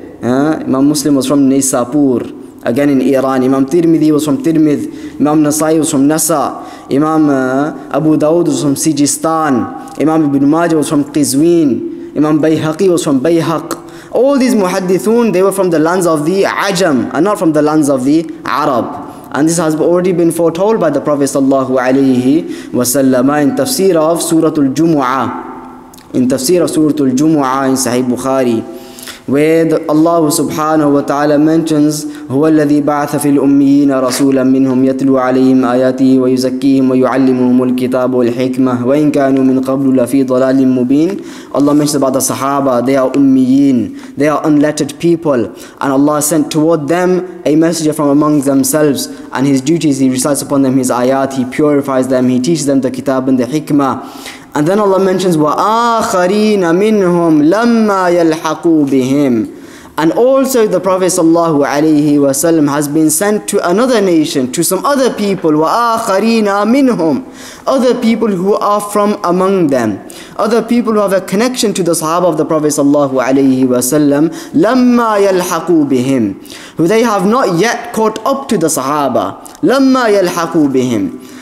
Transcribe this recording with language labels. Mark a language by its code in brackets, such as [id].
[en] Imam Muslim was from Nisapur. Again in Iran, Imam Tirmidhi was from Tirmidh, Imam Nasai was from Nasa, Imam Abu Dawud was from Sijistan, Imam Ibn Majah was from Qizwin, Imam Bayhaqi was from Bayhaq. All these Muhaddithun, they were from the lands of the Ajam and not from the lands of the Arab. And this has already been foretold by the Prophet sallallahu alayhi wasallam in tafsir of Surah Al-Jumu'ah. In tafsir of Surah Al-Jumu'ah in Sahih Bukhari, where Allah subhanahu wa ta'ala mentions, [ar] هُوَ الَّذِي بَعَثَ فِي الْأُمِّيِّينَ رَسُولًا مِّنْهُمْ يَتْلُوْ عَلَيْهِمْ آيَاتِهِ وَيُزَكِّيهِمْ وَيُعَلِّمُهُمُ الْكِتَابُ وَالْحِكْمَةِ وَإِنْ كَانُوا مِنْ قَبْلُ لَفِي ضَلَالٍ مُّبِينٍ. [en] Allah mentions about the Sahaba, they are ummiyin, they are unlettered people, and Allah sent toward them a messenger from among themselves, and his duties, he recites upon them his ayat, he purifies them, he teaches them the kitab and the hikmah. And then Allah mentions, [ar] وَآخَرِينَ مِنْهُمْ لَمَّا يَلْحَقُوا بِهِمْ. [en] And also the Prophet sallallahu alayhi wa sallam has been sent to another nation, to some other people, [ar] وَآخَرِينَ مِنْهُمْ, [en] other people who are from among them, other people who have a connection to the Sahaba of the Prophet sallallahu alayhi wa sallam, [ar] لَمَّا يَلْحَقُوا بِهِمْ, [en] who they have not yet caught up to the Sahaba, لَمَّا يَلْحَقُوا بِهِمْ.